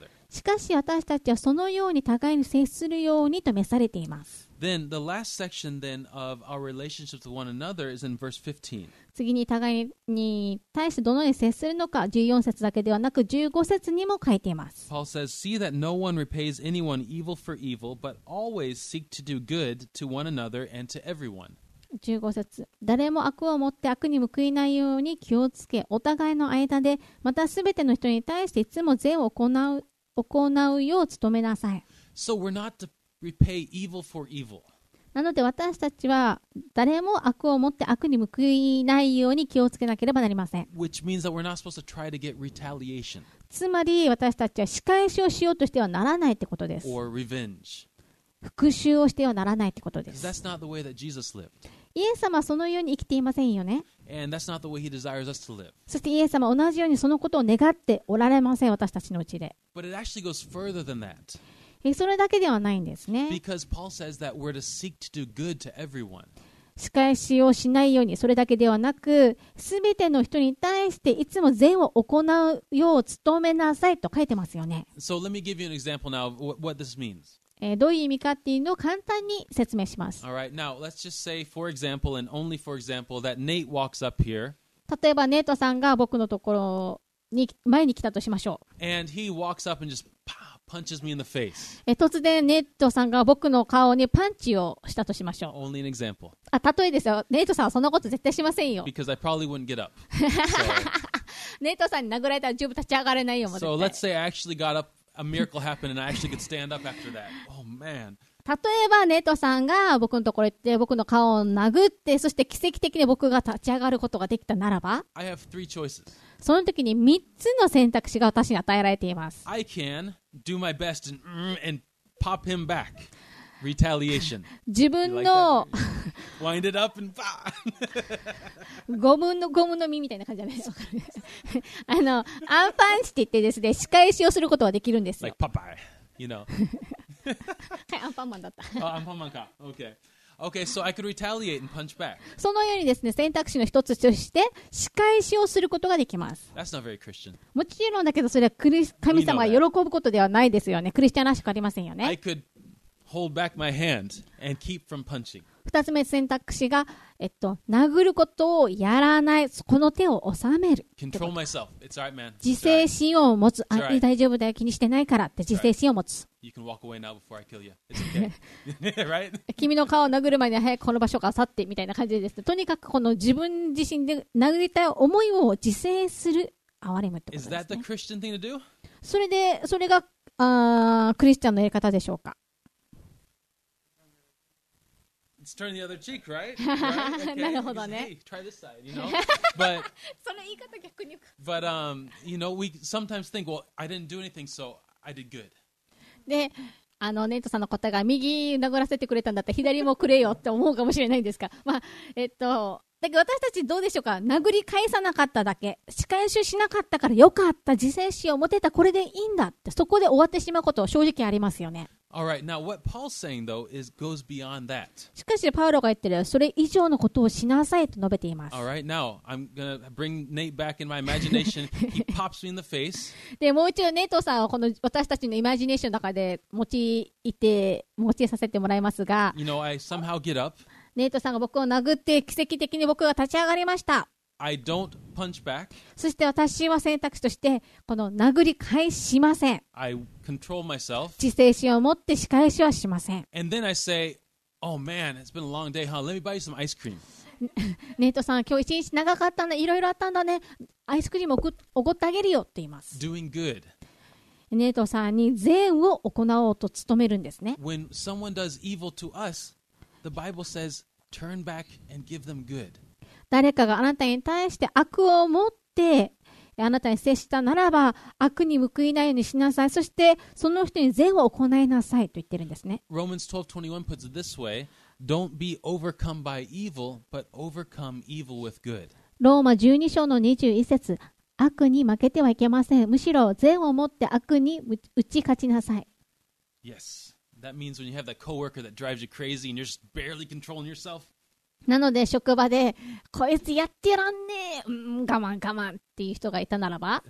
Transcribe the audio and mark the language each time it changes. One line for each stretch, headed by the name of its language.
Japanese: しかし私たちはそのように互いに接するようにと召されています。
English: then, the last section then of our relationship with one another is in verse 15.
Japanese: 次に互いに対してどのように接するのか14節だけではなく15節にも書いています。
English: Paul says, see that no one repays anyone evil for evil, but always seek to do good to one another and to everyone.
Japanese: 15節、誰も悪をもって悪に報いないように気をつけ、お互いの間でまたすべての人に対していつも善を行うよう努めなさい。
English: So we're not to repay evil for evil.
Japanese: なので私たちは誰も悪をもって悪に報いないように気をつけなければなりません。
English: Which means that we're not supposed to try to get retaliation.
Japanese: つまり私たちは仕返しをしようとしてはならないってことです。
English: Or revenge.
Japanese: 復讐をしてはならないってことです。
English: That's not the way that Jesus lived.
Japanese: イエス様はそのように生きていませんよね。
English: And that's not the way he desires us to live.
Japanese: そしてイエス様は同じようにそのことを願っておられません、私たちのうちで。
English: But it actually goes further than that.
Japanese: それだけではないんですね。
English: Because Paul says that we're to seek to do good to everyone.
Japanese: 仕返しをしないように、それだけではなく、すべての人に対していつも善を行うよう努めなさいと書いてますよね。
English: So let me give you an example now of what this means.
Japanese: どういう意味かっていうのを簡単に説明します。
English: All right. Now, let's just say, for example, and only for example, that Nate walks up here.
Japanese: 例えば、ネイトさんが僕のところに前に来たとしましょう。
English: And he walks up and just punches me in the face.
Japanese: 突然、ネイトさんが僕の顔にパンチをしたとしましょう。
English: Only an example.
Japanese: あ、例えですよ。ネイトさんはそんなこと絶対しませんよ。
English: Because I probably wouldn't get up.
Japanese: ネイトさんに殴られたら十分立ち上がれないよ、もう絶対。
English: So let's say I actually got up. A miracle happened and I actually could stand up after that. Oh man.
Japanese: 例えばネトさんが僕のところ行って僕の顔を殴ってそして奇跡的に僕が立ち上がることができたならば
English: I have three choices.
Japanese: その時に3つの選択肢が私に与えられています。
English: I can do my best and pop him back. Retaliation.
Japanese: 自分の
English: Wind it up and pop.
Japanese: ゴムのゴムの身みたいな感じじゃないですか。あのアンパンチって言ってですね、仕返しをすることはできるんですよ。
English: Like Popeye, you know.
Japanese: はい、アンパンマンだった。あ、アンパンマンか。
English: Okay, okay. So I could retaliate and punch back.
Japanese: そのようにですね、選択肢の一つとして仕返しをすることができます。
English: That's not very Christian.
Japanese: もちろんだけど、それはクリス神様が喜ぶことではないですよね。クリスチャンらしくありませんよね。
English: I could hold back my hand and keep from punching.
Japanese: 二つ目選択肢が、殴ることをやらない、この手を収める。
English: Control myself. It's alright, man.
Japanese: 自制心を持つ。
English: It's
Japanese: alright. 大丈夫だよ、気にしてないからって自制心を持つ。
English: You can walk away now before I kill you. It's okay. Right?
Japanese: 君の顔を殴る前に早くこの場所から去ってみたいな感じですね。とにかくこの自分自身で殴りたい思いを自制する憐れむってことですね。
English: Is that the Christian thing to do?
Japanese: それがクリスチャンのやり方でしょうか。
English: Turn the other cheek, right?
Japanese: Okay. なるほどね。
English: Hey, try this side, you know. But
Japanese: その言い方逆に。
English: But you know, we sometimes think, well, I didn't do anything, so I did good.
Japanese: で、あのネイトさんの答えが右殴らせてくれたんだったら左もくれよって思うかもしれないんですか。まあだけど私たちどうでしょうか。殴り返さなかっただけ、仕返しをしなかったからよかった、自制心を持てた、これでいいんだって、そこで終わってしまうこと正直ありますよね。
English: All right. Now, what Paul's saying though is goes beyond that.
Japanese: しかし、パウロが言ってるそれ以上のことをしなさいと述べています。
English: All right. Now, I'm gonna bring Nate back in my imagination. He pops me in the face.
Japanese: で、もう一度ネイトさんをこの私たちのイマジネーションの中で持ちさせてもらいますが、
English: You know, I somehow get up.
Japanese: ネイトさんが僕を殴って奇跡的に僕が立ち上がりました。
English: I don't punch back.
Japanese: そして私は選択肢としてこの殴り返しません。
English: I control myself.
Japanese: 自制心を持って仕返しはしません。
English: And then I say, oh man, it's been a long day, huh? Let me buy you some ice cream.
Japanese: ネットさん、今日一日長かったね、いろいろあったんだね。アイスクリームおごってあげるよって言います。
English: Doing good.
Japanese: ネトさんに善を行おうと努めるんですね。
English: When someone does evil to us, the Bible says, turn back and give them good.
Japanese: 誰かがあなたに対して悪を持ってあなたに接したならば悪に報いないようにしなさい。そしてその人に善を行いなさいと言ってるんですね。
English: Romans 12:21 puts it this way: Don't be overcome by evil, but overcome evil with good.
Japanese: ローマ12章の21節。悪に負けてはいけません。むしろ善を持って悪に打ち勝ちなさい。
English: Yes. That means when you have that coworker that drives you crazy and you're just barely controlling yourself.
Japanese: なので職場でこいつやってらんねえ、我慢我慢っていう人がいたならば、